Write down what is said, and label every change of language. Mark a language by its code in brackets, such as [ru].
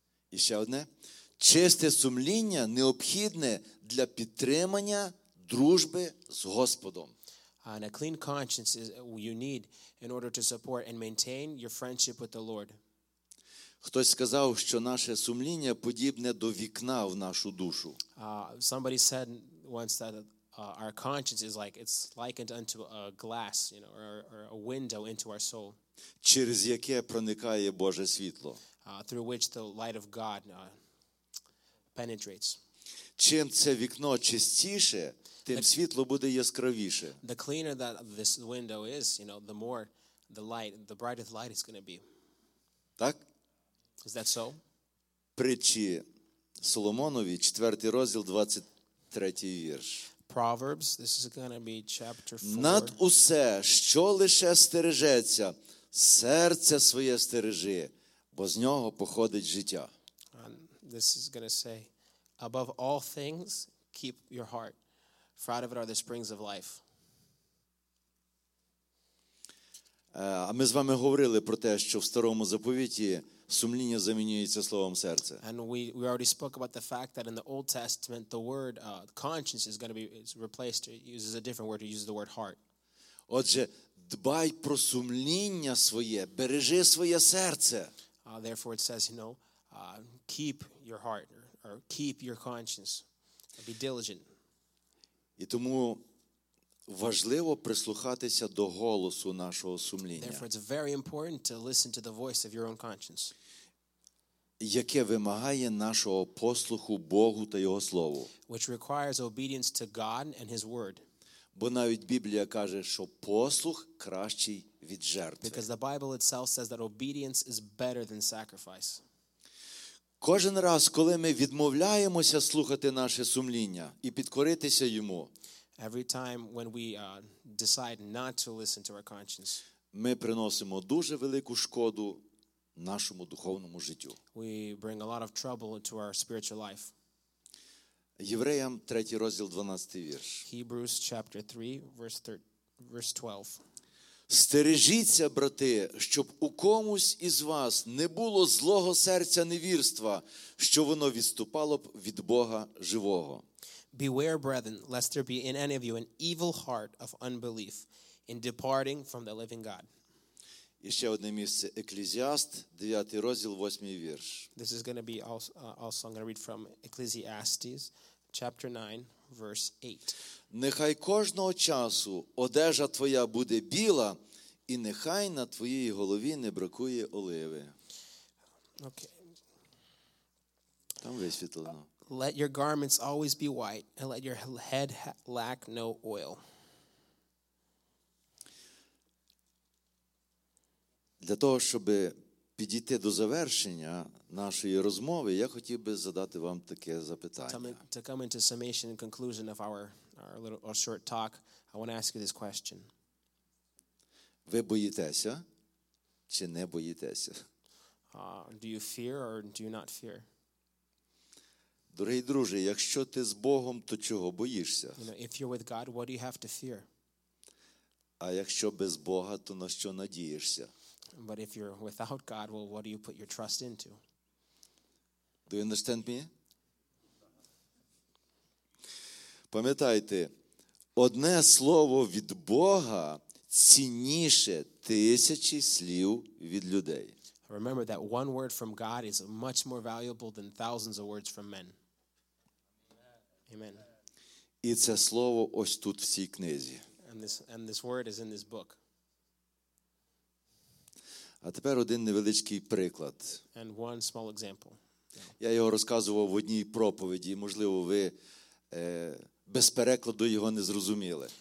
[uk] І ще одне. Чисте сумління необхідне для підтримання дружби з Господом. [en] And a clean conscience is what you need in order to support and maintain your friendship with the Lord. [uk] Хтось сказав, що наше сумління подібне до вікна в нашу душу. [en] Somebody said once that our conscience is like, it's likened unto a glass, or a window into our soul. [uk] Через яке проникає Боже світло. [en] Through which the light of God penetrates. [uk] Чим це вікно чистіше, тим світло буде яскравіше. [en] The cleaner that this window is, the more the brighter the light is going to be. [uk] Так? [en] Is that so? [uk] Притчі Соломонові, 4 розділ, 23 вірш. [en] Proverbs, this is going to be chapter 4. [uk] Над усе, що лише стережеться, серце своє стережи, бо з нього походить життя. [en] This is going to say, above all things, keep your heart, for out of it are the springs of life. [uk] Ми з вами говорили про те, що в Старому Заповіті сумління замінюється словом серце. [en] And we already spoke about the fact that in the Old Testament, the word conscience is going to be replaced, it uses a different word, it uses the word heart. [uk] Отже, дбай про сумління своє, бережи своє серце. [en] Therefore, it says, you know, keep your heart or keep your conscience. Be diligent. [uk] І тому важливо прислухатися до голосу нашого сумління. [en] Therefore, it's very important to listen to the voice of your own conscience. [uk] Яке вимагає нашого послуху Богу та Його Слову. [en] Which requires obedience to God and His Word. [uk] Бо навіть Біблія каже, що послух кращий від жертви. [en] Because the Bible itself says that obedience is better than sacrifice. [uk] Кожен раз, коли ми відмовляємося слухати наше сумління і підкоритися йому, [en] every time when we decide not to listen to our conscience, [uk] ми приносимо дуже велику шкоду нашому духовному життю. [en] We bring a lot of trouble to our spiritual life. [uk] Євреям 3 розділ 12 вірш. [en] Hebrews chapter 3 verse 12. [uk] Стережіться, брати, щоб у комусь із вас не було злого серця невірства, що воно відступало б від Бога живого. [en] Beware, brethren, lest there be in any of you an evil heart of unbelief in departing from the living God. [uk] І ще одне місце, Екклезіаст, 9 розділ, 8 вірш. [en] This is going to be also I'm going to read from Ecclesiastes chapter 9 verse 8. [uk] Нехай кожного часу одежа твоя буде біла, і нехай на твоїй голові не бракує оливи. [en] Okay. [uk] Там висвітлено. [en] Let your garments always be white, and let your head lack no oil. [uk] Для того, щоб підійти до завершення нашої розмови, я хотів би задати вам таке запитання. [en] To come into summation and conclusion of our little or short talk, I want to ask you this question. [uk] Ви боїтеся чи не боїтеся? [en] Do you fear or do you not fear? [uk] Дорогі друзі, якщо ти з Богом, то чого боїшся? [en] You know, if you're with God, what do you have to fear? [uk] А якщо без Бога, то на що надієшся? [en] But if you're without God, well, what do you put your trust into? Do you understand me? [uk] Пам'ятайте, одне слово від Бога цінніше тисячі слів від людей. [en] Remember that one word from God is much more valuable than thousands of words from men. Amen. [uk] І це слово ось тут в цій книзі. [en] And this word is in this book. [uk] А тепер один невеличкий приклад. [en] And one small example. [uk] Я його розказував в одній проповіді, можливо, ви без перекладу його не зрозуміли.